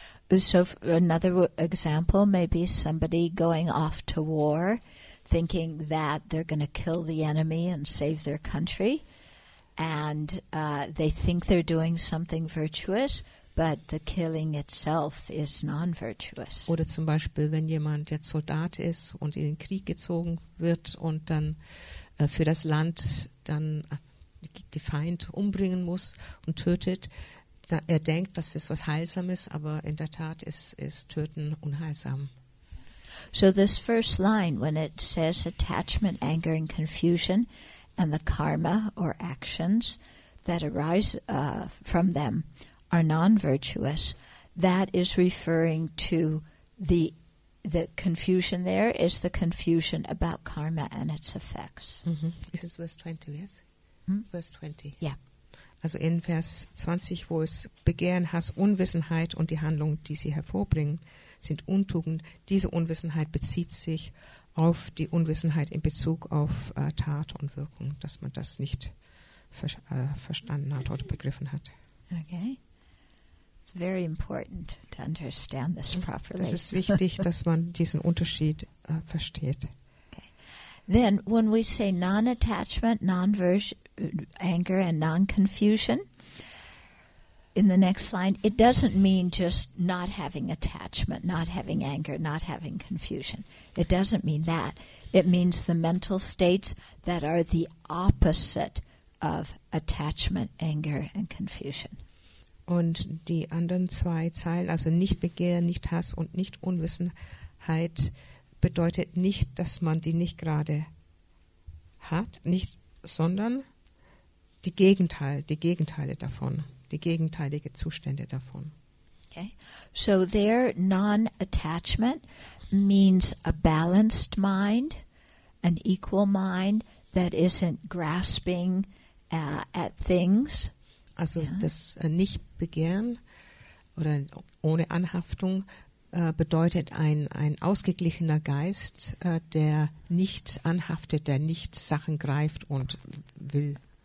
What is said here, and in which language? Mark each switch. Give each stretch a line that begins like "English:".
English: So another example may be somebody going off to war, thinking that they're going to kill the enemy and save their country, and they think they're doing something virtuous, but the killing itself is non-virtuous.
German: Oder zum Beispiel, wenn jemand jetzt Soldat ist und in den Krieg gezogen wird und dann für das Land dann die Feind umbringen muss und tötet, er denkt, das ist was Heilsames, aber in der Tat ist Töten unheilsam.
English: So this first line, when it says attachment, anger and confusion and the karma or actions that arise from them are non-virtuous, that is referring to the confusion there is the confusion about karma and its effects. Mm-hmm. This is verse 20, yes? Hmm? Verse 20. Yeah.
German: Also in Vers 20, wo es Begehren, Hass, Unwissenheit und die Handlungen, die sie hervorbringen, sind Untugend. Diese Unwissenheit bezieht sich auf die Unwissenheit in Bezug auf Tat und Wirkung, dass man das nicht verstanden hat oder begriffen hat.
English: Okay. It's very important to understand this properly.
German: Es ist wichtig, dass man diesen Unterschied versteht.
English: Then, when we say non-attachment, non-anger, and non-confusion, in the next line, it doesn't mean just not having attachment, not having anger, not having confusion. It doesn't mean that. It means the mental states that are the opposite of attachment, anger, and confusion.
German: Und die anderen zwei Zeilen, also nicht Begehren, nicht Hass und nicht Unwissenheit, bedeutet nicht, dass man die nicht gerade hat, nicht, sondern die Gegenteile davon, die gegenteilige Zustände davon.
English: Okay. So there, non-attachment means a balanced mind, an equal mind that isn't grasping at things. Also yeah.
German: Das Nicht-Begehren oder ohne Anhaftung bedeutet ein ausgeglichener Geist, der nicht anhaftet, der nicht Sachen greift und will.